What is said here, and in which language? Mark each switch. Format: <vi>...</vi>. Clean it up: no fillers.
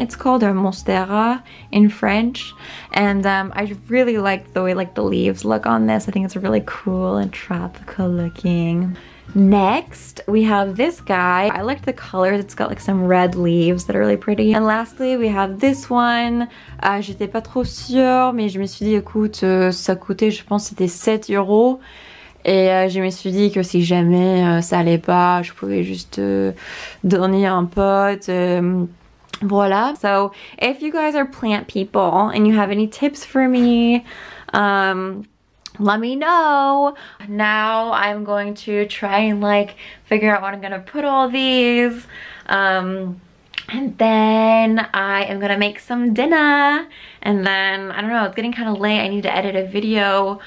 <en>It's called a monstera in French. And I really like the way like the leaves look on this. I think it's really cool and tropical looking. Next, we have this guy. I like the color. It's got like some red leaves that are really pretty. And lastly, we have this one.</en> <fr>J'étais pas trop sûre, mais je me suis dit, écoute, ça coûtait, je pense, c'était €7. Et je me suis dit que si jamais ça allait pas, je pouvais juste donner un pote. Voilà.</fr> <en>So, if you guys are plant people and you have any tips for me, let me know. Now I'm going to try and like figure out what I'm gonna put all these, and then I am gonna make some dinner, and then I don't know, it's getting kind of late, I need to edit a video.</en>